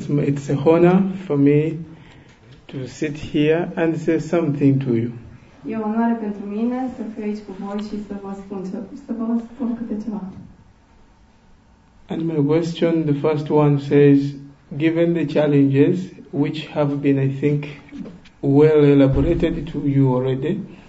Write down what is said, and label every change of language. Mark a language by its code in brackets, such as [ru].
[en] It's a honor for me to sit here and say something to you. [ro] E o onoare pentru mine să fiu aici cu voi și să vă spun câte ceva. [en] And my question, the first one says, given the challenges which have been, I think, well elaborated to you already.